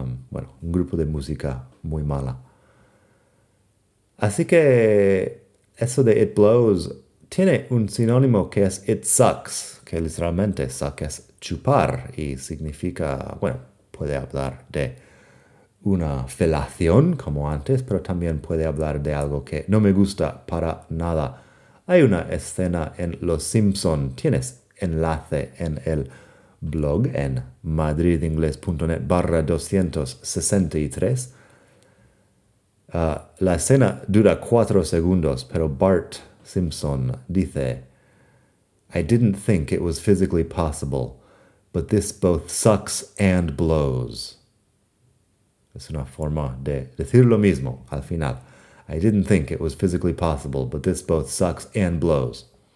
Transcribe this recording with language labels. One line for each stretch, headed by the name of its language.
Spanish: Bueno, un grupo de música muy mala. Así que eso de it blows tiene un sinónimo que es it sucks, que literalmente suck es chupar y significa, bueno, puede hablar de una felación como antes, pero también puede hablar de algo que no me gusta para nada. Hay una escena en Los Simpson, tienes enlace en el blog en madridingles.net/263. La escena dura 4 segundos, pero Bart Simpson dice,
English: I didn't think it was physically possible, but this both sucks and blows.
Spanish: Es una forma de decir lo mismo al final.
English: I didn't think it was physically possible, but this both sucks and blows.